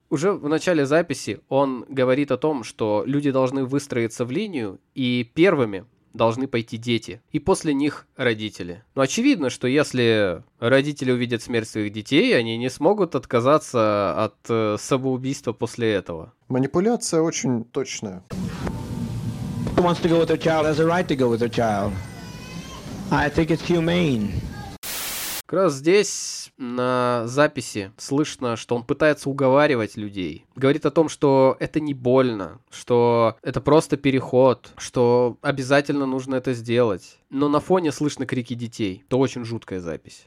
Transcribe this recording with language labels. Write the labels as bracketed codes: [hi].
[ru] Уже в начале записи он говорит о том, что люди должны выстроиться в линию, и первыми должны пойти дети, и после них родители. Но очевидно, что если родители увидят смерть своих детей, они не смогут отказаться от самоубийства после этого. Манипуляция очень точная. [en] Who wants to go with their child has a right to go with their child. I think it's humane. [ru] Как раз здесь на записи слышно, что он пытается уговаривать людей. Говорит о том, что это не больно, что это просто переход, что обязательно нужно это сделать. Но на фоне слышно крики детей. Это очень жуткая запись.